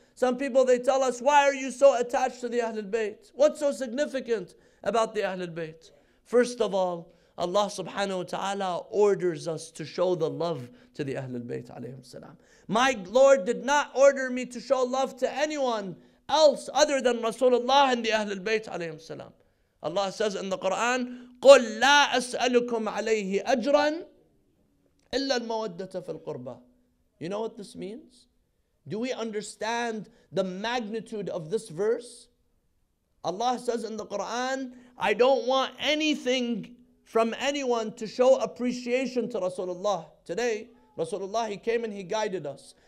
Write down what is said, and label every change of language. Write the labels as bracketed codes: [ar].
[en] Some people, they tell us, why are you so attached to the Ahlul Bayt? What's so significant about the Ahlul Bayt? First of all, Allah subhanahu wa ta'ala orders us to show the love to the Ahlul Bayt alayhim salam. My Lord did not order me to show love to anyone else other than Rasulullah and the Ahlul Bayt alayhim salam. Allah says in the Quran, [ar] قُلْ لَا أَسْأَلُكُمْ عَلَيْهِ أَجْرًا إِلَّا الْمَوَدَّةَ فِي الْقُرْبَى. [en] You know what this means? Do we understand the magnitude of this verse? Allah says in the Quran, I don't want anything from anyone to show appreciation to Rasulullah. Today, Rasulullah, he came and he guided us.